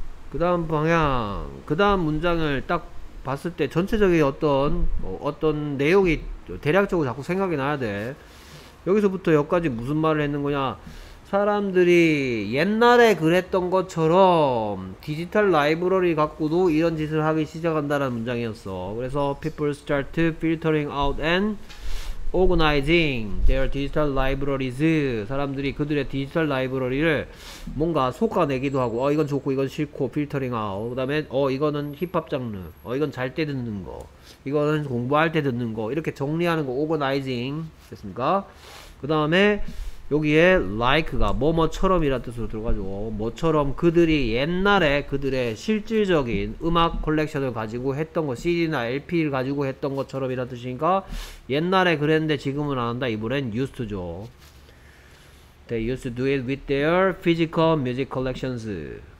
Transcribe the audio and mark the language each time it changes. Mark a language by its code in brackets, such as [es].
[ko] 그 다음 방향, 그 다음 문장을 딱 봤을 때 전체적인 어떤 내용이 대략적으로 자꾸 생각이 나야 돼. 여기서부터 여기까지 무슨 말을 했는 거냐. 사람들이 옛날에 그랬던 것처럼 디지털 라이브러리 갖고도 이런 짓을 하기 시작한다라는 문장이었어. [en] 그래서 people start filtering out and organizing their digital libraries. [ko] 사람들이 그들의 디지털 라이브러리를 뭔가 속아내기도 하고 이건 좋고 이건 싫고 [en] filtering out. [ko] 그 다음에 이거는 힙합 장르, 이건 잘 때 듣는 거, 이거는 공부할 때 듣는 거, 이렇게 정리하는 거 organizing 됐습니까? 그 다음에 여기에 like가 뭐뭐처럼 이란 뜻으로 들어가죠. 뭐처럼 그들이 옛날에 그들의 실질적인 음악 컬렉션을 가지고 했던 거 CD나 LP를 가지고 했던 것처럼 이란 뜻이니까 옛날에 그랬는데 지금은 안 한다. [en] 이번엔 used 죠 They used to do it with their physical music collections.